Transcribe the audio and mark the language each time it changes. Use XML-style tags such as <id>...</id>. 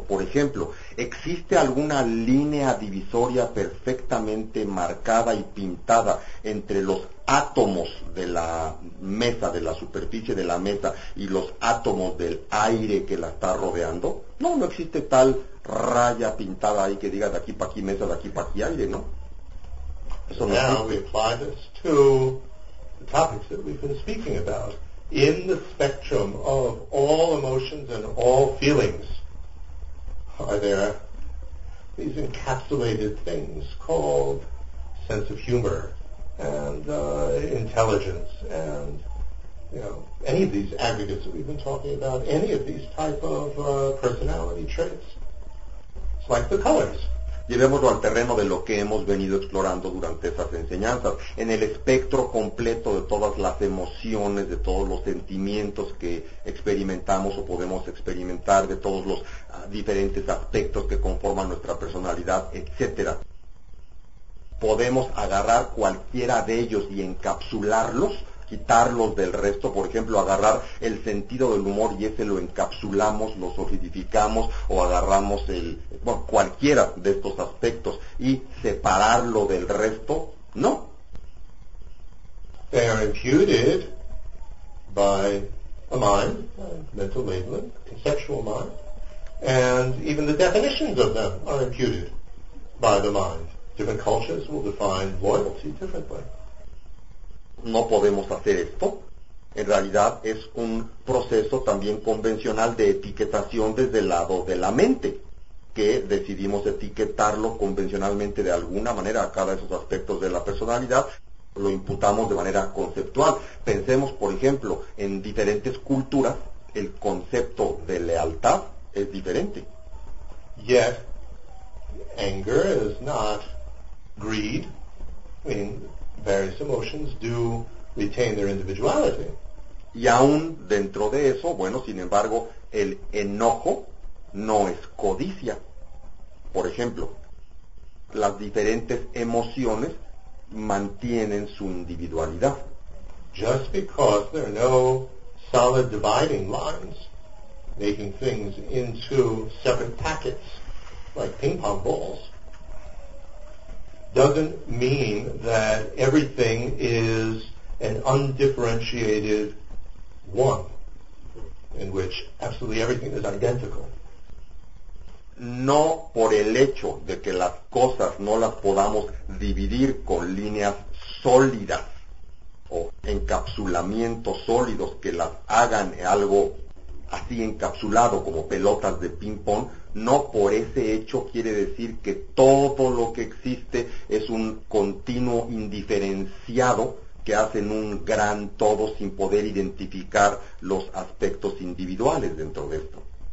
<es>Por ejemplo, ¿existe alguna línea divisoria perfectamente marcada y pintada entre los átomos de la mesa, de la superficie de la mesa, y los átomos del aire que la está rodeando? No, no existe tal raya pintada ahí que diga de aquí para aquí mesa, de aquí para aquí aire, ¿no?</es> <en>So now we apply this to the topics that we've been speaking about. In the spectrum of all emotions and all feelings, are there these encapsulated things called sense of humor and intelligence and, you know, any of these aggregates that we've been talking about, any of these type of personality traits? It's like the colors.</en> <es>Llevémoslo al terreno de lo que hemos venido explorando durante esas enseñanzas. En el espectro completo de todas las emociones, de todos los sentimientos que experimentamos o podemos experimentar, de todos los diferentes aspectos que conforman nuestra personalidad, etcétera, podemos agarrar cualquiera de ellos y encapsularlos, quitarlos del resto. Por ejemplo, agarrar el sentido del humor y ese lo encapsulamos, lo solidificamos, o agarramos el, bueno, cualquiera de estos aspectos y separarlo del resto, no.</es> <en>They are imputed by a mind, a mental labeling, conceptual mind, and even the definitions of them are imputed by the mind. Different cultures will define loyalty differently.</en> <es>No podemos hacer esto. En realidad es un proceso también convencional de etiquetación desde el lado de la mente, que decidimos etiquetarlo convencionalmente de alguna manera a cada de esos aspectos de la personalidad, lo imputamos de manera conceptual. Pensemos, por ejemplo, en diferentes culturas, el concepto de lealtad es diferente.</es> <en>Yet, anger is not greed, meaning various emotions do retain their individuality.</en> <es>Y aún dentro de eso, bueno, sin embargo, el enojo no es codicia. Por ejemplo, las diferentes emociones mantienen su individualidad.</es> <en>Just because there are no solid dividing lines making things into separate packets like ping pong balls, doesn't mean that everything is an undifferentiated one in which absolutely everything is identical.</en> <es>No por el hecho de que las cosas no las podamos dividir con líneas sólidas o encapsulamientos sólidos que las hagan algo así encapsulado como pelotas de ping pong, no por ese hecho quiere decir que todo lo que existe es un continuo indiferenciado que hacen un gran todo sin poder identificar los aspectos individuales dentro de esto.</es>